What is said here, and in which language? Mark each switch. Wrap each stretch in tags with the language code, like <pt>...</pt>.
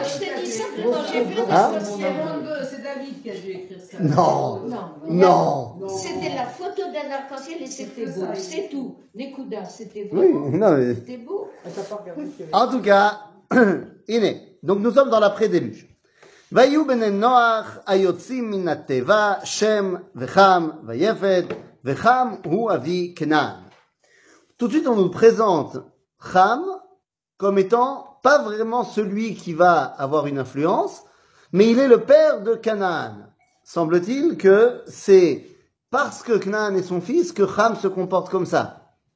<fr>Je t'ai dit ça quand j'ai vu l'arc-en-ciel. C'est David qui a dû écrire ça. Non. C'était la photo d'un arc-en-ciel et c'était beau. C'est tout. Nekouda, c'était beau. Oui, non, mais... C'était beau. En tout cas, Iné. Donc nous sommes dans l'après-déluge.</fr> <he>ויהיו בני נוח היוצאים מן הטבע שם וחם ויפת וחם הוא אבי כנען.</he> <fr>Tout de suite on nous présente Ham comme étant pas vraiment celui qui va avoir une influence, mais il est le père de Canaan. Semble-t-il que c'est parce que Canaan est son fils que Ham se comporte comme ça.</fr>